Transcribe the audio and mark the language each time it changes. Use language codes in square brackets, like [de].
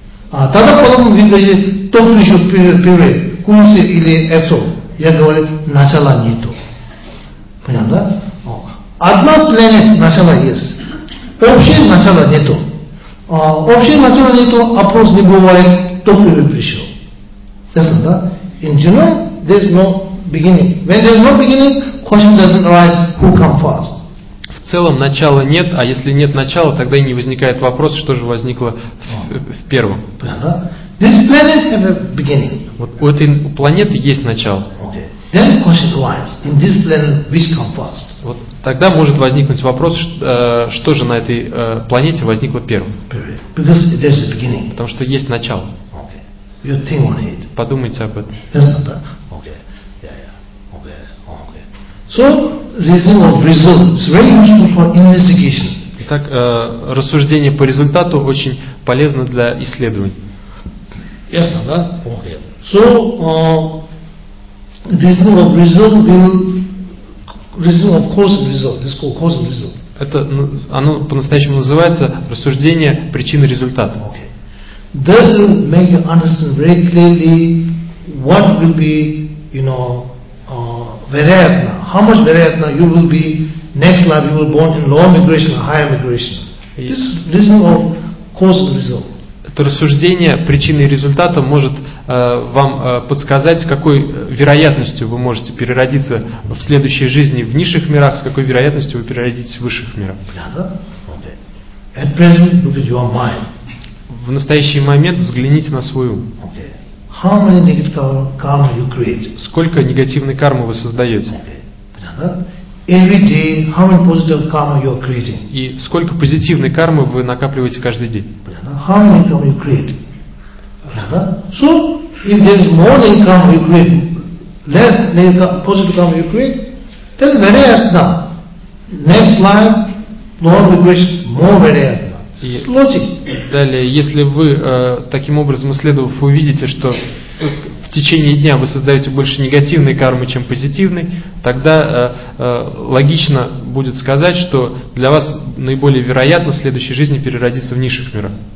[ru] Тогда потом видите, то пришел первый, курица или это. Я говорю, начало нету. Понятно, да? Одна планета начала есть. Общее начало нету. Общее начало нету, опрос не бывает, то первый пришел. [en] Ясно, да? In general, there is no beginning. When there is no beginning, question doesn't arise, who come first. [ru] В целом начала нет, а если нет начала, тогда и не возникает вопрос, что же возникло в первом. [en] This planet have a beginning. [ru] Вот у этой планеты есть начало. [en] Okay. Then question arises in this planet which comes first. [ru] Вот тогда может возникнуть вопрос, что же на этой планете возникло первым? [en] Because there's a beginning. [ru] Потому что есть начало. [en] Okay. You think on it. [ru] Подумайте об этом. [en] Yes, okay. Yeah, yeah. Okay. Okay. So reason of result is very useful for investigation. [ru] Итак, рассуждение по результату очень полезно для исследований. [en] Yes, да? Okay. So This is called cause and result. [ru] Это оно по-настоящему называется рассуждение причины-результат. [en] Okay. That will make you understand very clearly what will be, you know, вероятно, how much вероятно you will be next life, you will be born in lower migration or higher migration. This is of cause and result. [ru] Это рассуждение причины и результата может вам подсказать, с какой вероятностью вы можете переродиться в следующей жизни в низших мирах, с какой вероятностью вы переродитесь в высших мирах. [en] Okay. At present, look at your mind. [ru] В настоящий момент взгляните на свой ум. [en] Okay. How many negative karma you create? [ru] Сколько негативной кармы вы создаете? [en] Okay. Every day, how many positive karma you are creating? [ru] И сколько позитивной кармы вы накапливаете каждый день? [en] How many karma you create? Yeah. So, if there is more than karma you create, less negative positive karma you create, then vereyatna. Next life, lower vibration, more vereyatna. It's logic. [ru] Далее, если вы таким образом исследовав, увидите, что в течение дня вы создаете больше негативной кармы, чем позитивной, тогда логично будет сказать, что для вас наиболее вероятно в следующей жизни переродиться в низших мирах.